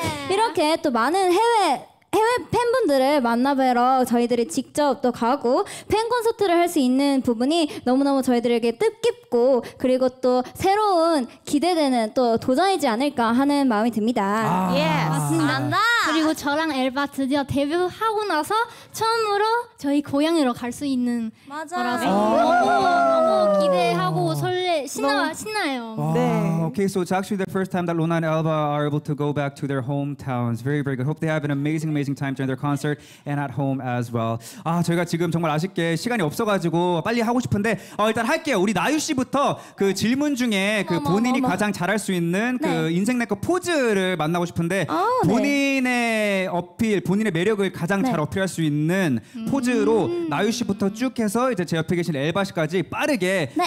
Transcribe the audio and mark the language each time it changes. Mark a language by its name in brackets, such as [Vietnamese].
[Korean] 예! 이렇게 또 많은 해외 팬분들을 만나뵈러 저희들이 직접 또 가고 팬 콘서트를 할 수 있는 부분이 너무너무 저희들에게 뜻깊고 그리고 또 새로운 기대되는 또 도전이지 않을까 하는 마음이 듭니다. 아~ 예, 맞습니다. 안다. 그리고 저랑 엘바 드디어 데뷔하고 나서 처음으로 저희 고향으로 갈 수 있는 맞아. 거라서 너무너무 기대하고 신나요. 네. [English] Okay, so it's actually the first time that Luna and Elba are able to go back to their hometowns. Very, very good. Hope they have an amazing time during their concert and at home as well. [Korean] 아, 저희가 지금 정말 아쉽게 시간이 없어가지고 빨리 하고 싶은데 일단 할게요. 우리 나유 씨부터 그 질문 중에 그 본인이 가장 잘할 수 있는 그 네. 인생 내꺼 포즈를 만나고 싶은데 본인의 네. 어필, 본인의 매력을 가장 네. 잘 어필할 수 있는 포즈로 나유 씨부터 쭉 해서 이제 제 옆에 계신 엘바 씨까지 빠르게 네.